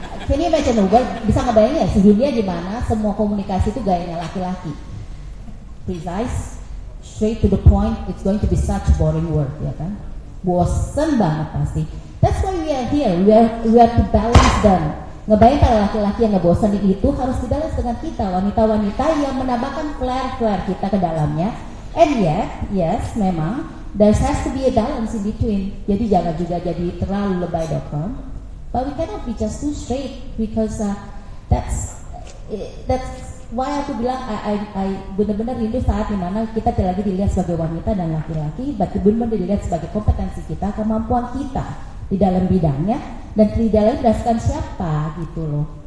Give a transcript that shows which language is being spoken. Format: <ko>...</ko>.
<en>Can you imagine,</en> <id>gue bisa ngebayangin ya, sebelumnya gimana semua komunikasi itu gayanya laki-laki.</id> <en>Precise, straight to the point, it's going to be such boring work,</en> <id>ya kan? Bosen banget pasti.</id> <en>That's why we are here, we are to balance them.</en> <id>Ngebayangin para laki-laki yang ngebosen itu harus dibalance dengan kita, wanita-wanita yang menambahkan flair-flair kita ke dalamnya.</id> <en>And yet, yes,</en> <id>memang,</id> <en>there has to be a balance in between.</en> <id>Jadi jangan juga jadi terlalu lebay dokter.</id> <en>But we cannot be just too straight because that's why</en> <id>aku bilang I benar-benar rindu saat dimana kita tidak lagi dilihat sebagai wanita dan laki-laki, tapi benar-benar dilihat sebagai kompetensi kita, kemampuan kita di dalam bidangnya dan di dalam berdasarkan siapa gitu loh.</id>